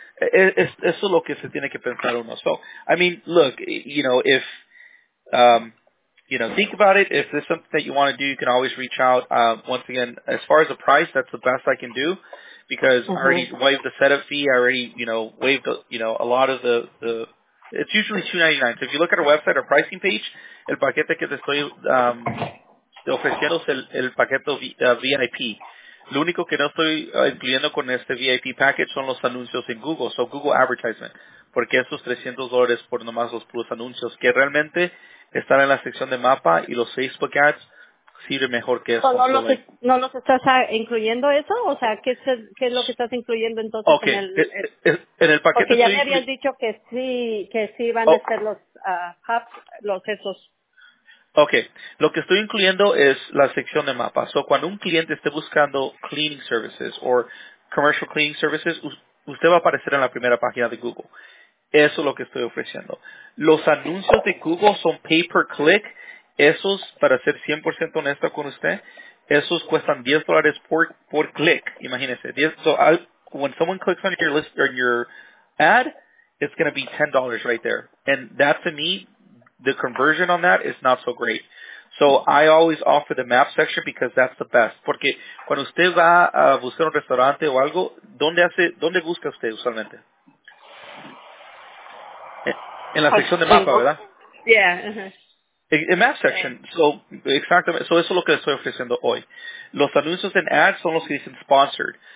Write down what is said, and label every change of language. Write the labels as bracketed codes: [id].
[es] Eso es lo que se tiene que pensar uno. [en] So, I mean, look, you know, if you know, think about it. If there's something that you want to do, you can always reach out. Once again, as far as the price, that's the best I can do because mm-hmm. I already waived the setup fee. I already, you know, waived, you know, a lot of the it's usually $299. So if you look at our website, our pricing page, [es] el paquete que te estoy ofreciendo es el paquete VIP. Lo único que no estoy incluyendo con este VIP package son los anuncios en Google, [en] so Google Advertisement, [es] porque esos $300 por nomás los plus anuncios, que realmente están en la sección de mapa y los Facebook ads sirven mejor que eso. No, ¿No los estás incluyendo eso? O sea, ¿qué es lo que estás incluyendo entonces? Okay. En el paquete. Porque ya me habías dicho que sí van a ser los hubs, los esos. Okay, lo que estoy incluyendo es la sección de mapa. So, cuando un cliente esté buscando [en] cleaning services or commercial cleaning services, [es] usted va a aparecer en la primera página de Google. Eso es lo que estoy ofreciendo. Los anuncios de Google son pay-per-click. Esos, para ser 100% honesto con usted, esos cuestan $10 por click. [en] Imagínese, when someone clicks on your list or your ad, it's going to be $10 right there. And that, to me, the conversion on that is not so great. So I always offer the map section because that's the best. [es] Porque cuando usted va a buscar un restaurante o algo, ¿dónde busca usted usualmente? En la sección de mapa, ¿verdad? [en] Yeah. [es] Uh-huh. En map section. So, exactamente. So eso es lo que le estoy ofreciendo hoy. Los anuncios en ads son los que dicen sponsored.